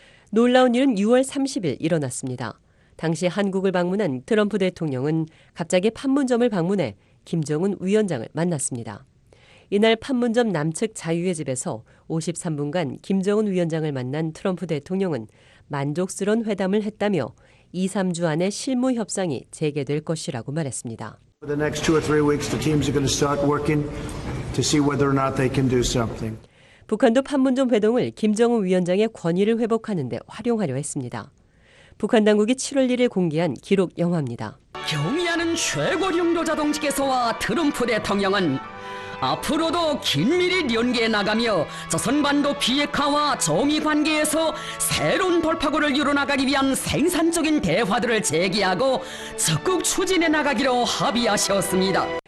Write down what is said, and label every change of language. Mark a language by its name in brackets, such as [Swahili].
[Korean] 놀라운 일은 6월 30일 일어났습니다. 당시 한국을 방문한 트럼프 대통령은 갑자기 판문점을 방문해 김정은 위원장을 만났습니다. 이날 판문점 남측 자유의 집에서 53분간 김정은 위원장을 만난 트럼프 대통령은 만족스러운 회담을 했다며 2, 3주 안에 실무 협상이 재개될 것이라고 말했습니다. [English] For the next two or three weeks, the teams are going to start working to see whether or not they can do something. [Korean] 북한도 판문점 회동을 김정은 위원장의 권위를 회복하는 데 활용하려 했습니다. 북한 당국이 7월 1일 공개한 기록 영화입니다. 경의하는 최고 령조자동지께서와 트럼프 대통령은 앞으로도 긴밀히 연계해 나가며 조선반도 비핵화와 조미관계에서 새로운 돌파구를 이뤄나가기 위한 생산적인 대화들을 재개하고 적극 추진해 나가기로 합의하셨습니다.